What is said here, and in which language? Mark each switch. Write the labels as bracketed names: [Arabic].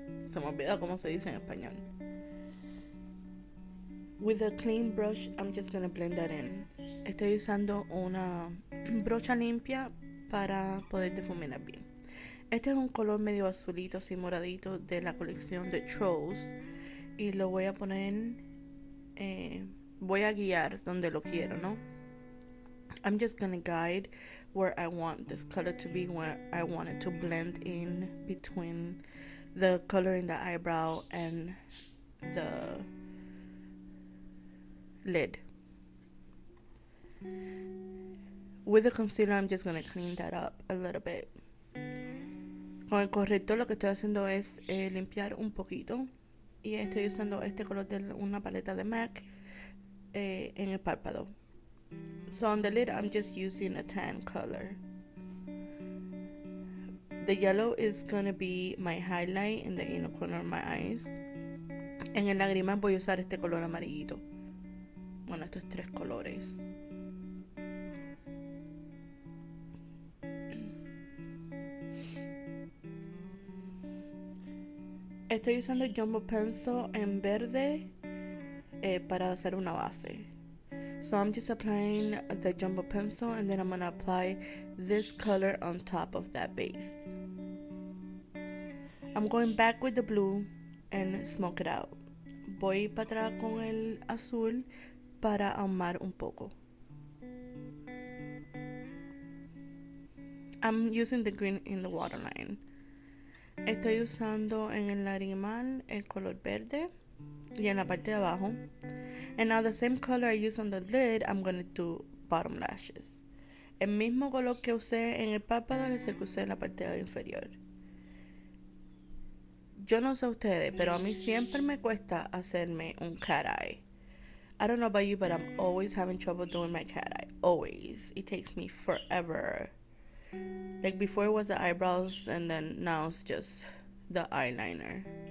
[Spanish] Se me olvida cómo se dice en español. [English] With a clean brush, I'm just gonna blend that in. [Spanish] Estoy usando una brocha limpia para poder difuminar bien. Este es un color medio azulito, así moradito, de la colección de Trolls. Y lo voy a poner. Voy a guiar donde lo quiero, ¿no? [English] I'm just gonna guide where I want this color to be, where I want it to blend in between the color in the eyebrow and the lid. With the concealer, I'm just gonna clean that up a little bit. [Spanish] Con el corrector lo que estoy haciendo es limpiar un poquito y estoy usando este color de una paleta de MAC en el párpado. [English] So on the lid, I'm just using a tan color. The yellow is gonna be my highlight in the inner corner of my eyes. [Spanish] En el lágrima voy a usar este color amarillito. Bueno, estos tres colores. Estoy usando el Jumbo Pencil en verde para hacer una base. [English] So I'm just applying the Jumbo Pencil and then I'm gonna apply this color on top of that base. I'm going back with the blue and smoke it out. [Spanish] Voy para atrás con el azul para ahumar un poco. [English] I'm using the green in the waterline. [Spanish] Estoy usando en el lagrimal el color verde y en la parte de abajo. [English] And now the same color I use on the lid, I'm gonna do bottom lashes. [Spanish] El mismo color que usé en el párpado es el que usé en la parte inferior. Yo no sé ustedes, pero a mí siempre me cuesta hacerme un cat eye. [English] I don't know about you, but I'm always having trouble doing my cat eye. Always. It takes me forever. Like before it was the eyebrows and then now it's just the eyeliner.